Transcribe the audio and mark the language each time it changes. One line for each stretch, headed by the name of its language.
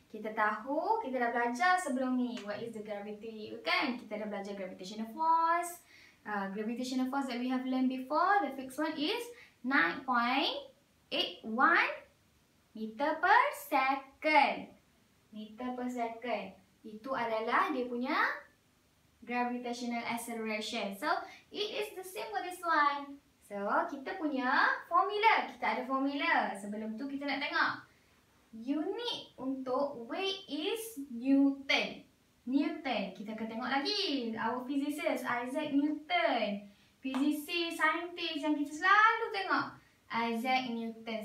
Malay: Kita tahu, kita dah belajar sebelum ni,
English: what is the gravity,
Malay: kan? Kita dah belajar gravitational force.
English: Gravitational force that we have learned before, the fixed one is 9.81 meter per second. Meter per second.
Malay: Itu adalah dia punya gravitational acceleration.
English: So, it is the same for this one.
Malay: So, kita punya formula. Kita ada formula. Sebelum tu kita nak tengok. Unit untuk weight is Newton. Newton. Kita akan tengok lagi.
English: Our physicist, Isaac Newton.
Malay: Physicist, scientist yang kita selalu tengok. Isaac Newton.